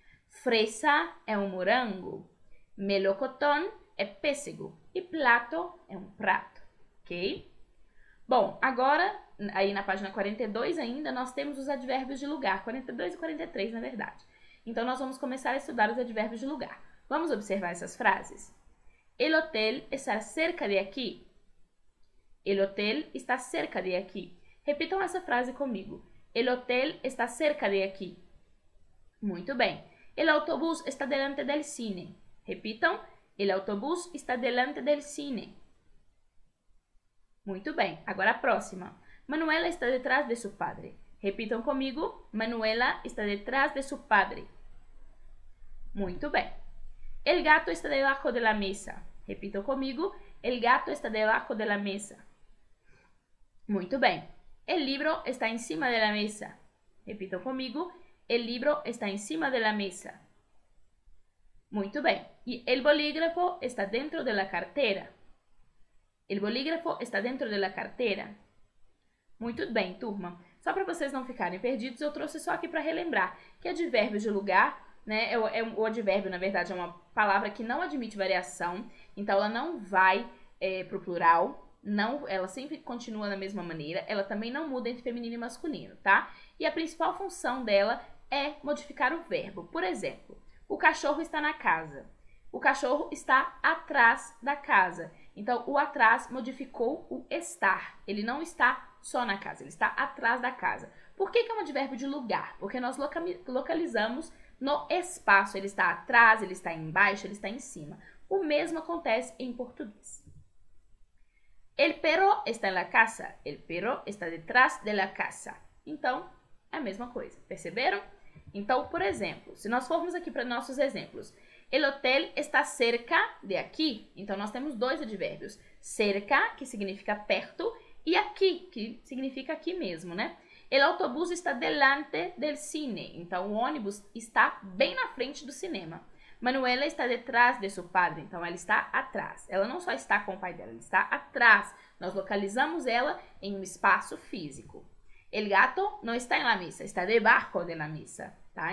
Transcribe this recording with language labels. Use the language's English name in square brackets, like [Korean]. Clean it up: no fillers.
[Portuguese] Fresa é um morango. Melocotón é pêssego. E plato é um prato. Ok? Bom, agora, aí na página 42 ainda, nós temos os advérbios de lugar. 42 e 43, na verdade. Então, nós vamos começar a estudar os advérbios de lugar. Vamos observar essas frases. [Spanish] El hotel está cerca de aquí. El hotel está cerca de aquí. [Portuguese] Repitam essa frase comigo. [Spanish] El hotel está cerca de aquí. [Portuguese] Muito bem. [Spanish] El autobús está delante del cine. [Portuguese] Repitam. [Spanish] El autobús está delante del cine. [Portuguese] Muito bem. Agora a próxima. [Spanish] Manuela está detrás de su padre. [Portuguese] Repitam comigo. [Spanish] Manuela está detrás de su padre. [Portuguese] Muito bem. [Spanish] El gato está debajo de la mesa. [Portuguese] Repita comigo. [Spanish] El gato está debajo de la mesa. [Portuguese] Muito bem. [Spanish] El libro está em cima de la mesa. [Portuguese] Repita comigo. [Spanish] El libro está em cima de la mesa. [Portuguese] Muito bem. [Spanish] E el bolígrafo está dentro de la cartera. El bolígrafo está dentro de la cartera. [Portuguese] Muito bem, turma. Só para vocês não ficarem perdidos, eu trouxe só aqui para relembrar que advérbio de lugar, né? O advérbio, na verdade, é uma palavra que não admite variação, então ela não vai para o plural, não, ela sempre continua da mesma maneira, ela também não muda entre feminino e masculino, tá? E a principal função dela é modificar o verbo. Por exemplo, o cachorro está na casa. O cachorro está atrás da casa. Então, o atrás modificou o estar. Ele não está só na casa, ele está atrás da casa. Por que que é um advérbio de lugar? Porque nós localizamos no espaço, ele está atrás, ele está embaixo, ele está em cima. O mesmo acontece em português. [Spanish] El perro está en la casa. El perro está detrás de la casa. [Portuguese] Então, é a mesma coisa, perceberam? Então, por exemplo, se nós formos aqui para nossos exemplos, [Spanish] el hotel está cerca de aquí. [Portuguese] Então, nós temos dois advérbios: cerca, que significa perto, e aqui, que significa aqui mesmo, né? [Spanish] El autobús está delante del cine. [Portuguese] Então, o ônibus está bem na frente do cinema. [Spanish] Manuela está detrás de su padre. [Portuguese] Então, ela está atrás. Ela não só está com o pai dela, ela está atrás. Nós localizamos ela em um espaço físico. [Spanish] El gato não está en la mesa, está debajo de la mesa. [Portuguese] Tá?